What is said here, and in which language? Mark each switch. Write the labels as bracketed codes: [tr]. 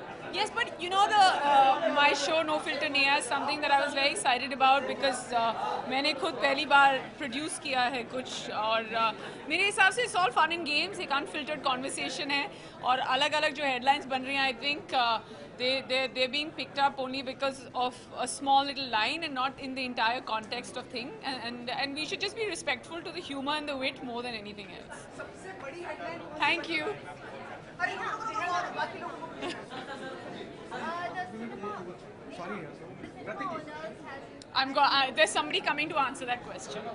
[en] Yes, but you know my show No Filter Neha is something that I was very excited about because [hi] मैंने खुद पहली बार produce किया है कुछ और मेरे हिसाब से [en] It's all fun and games. [hi] एक अनफिल्टर्ड कॉन्वर्सेशन है और अलग अलग जो हेडलाइंस बन रही हैं [en] I think they being picked up only because of a small little line and not in the entire context of thing and we should just be respectful to the humour and the wit more than anything else. Thank you. There's somebody coming to answer that question.